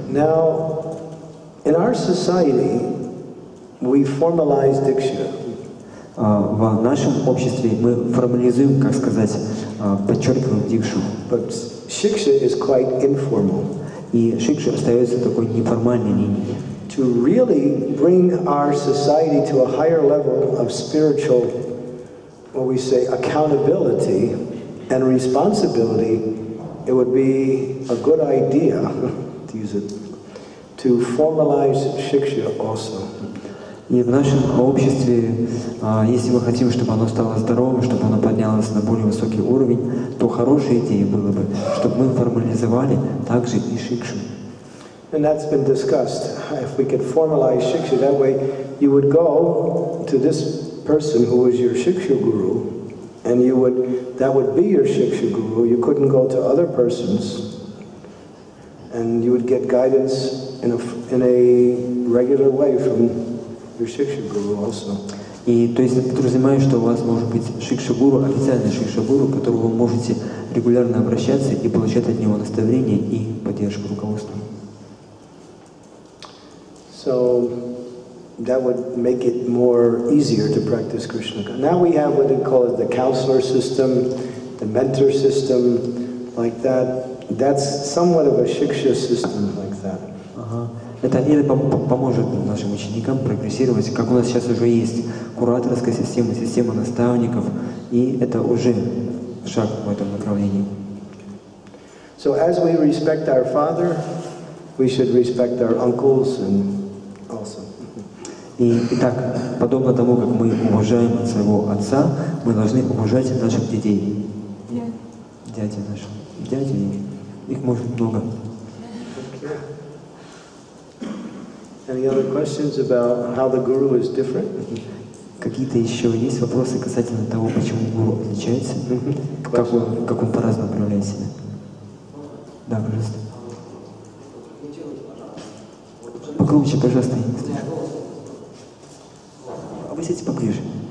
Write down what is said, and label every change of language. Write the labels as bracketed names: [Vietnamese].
[English] Now, in our society, we formalize diksha. [Russian] В нашем обществе мы формализуем, как сказать, подчеркиваем дикшу. [English] But shiksha is quite informal. [Russian] И шикша остается такой неформальной линией. [English] To really bring our society to a higher level of spiritual, what we say, accountability and responsibility, it would be a good idea, to use it, to formalize shiksha also. [Russian] И в нашем обществе, если мы хотим, чтобы оно стало здоровым, чтобы оно поднялось на более высокий уровень, то хорошей идеей было бы, чтобы мы формализовали также и шикшу. [English] And that's been discussed. If we could formalize shiksha that way, you would go to this person who is your shiksha guru, and you would, that would be your shiksha guru. You couldn't go to other persons, and you would get guidance in a regular way from your shiksha guru also. [Russian] И то есть подразумеваю, что у вас может быть шикша гуру, официальный шикша гуру, к которому вы можете регулярно обращаться и получать от него наставления и поддержку руководства. [English] So that would make it more easier to practice Krishna. Now we have what they call the counselor system, the mentor system, like that. That's somewhat of a shiksha system like that. [Russian] Это или поможет нашим ученикам прогрессировать, как у нас сейчас уже есть кураторская система, система наставников, и это уже шаг в этом направлении. [English] So as we respect our father, we should respect our uncles and also. [Russian] Итак, подобно тому, как мы уважаем своего отца, мы должны уважать наших детей. [English] Yeah. [Russian] Дяди наши. Дяди, их может много. [English] Any other questions about how the guru is different? [Russian] Какие-то еще есть вопросы касательно того, почему гуру отличается? Как он по-разному проявляет себя? Да, пожалуйста. Погромче, пожалуйста. А вы сядьте поближе.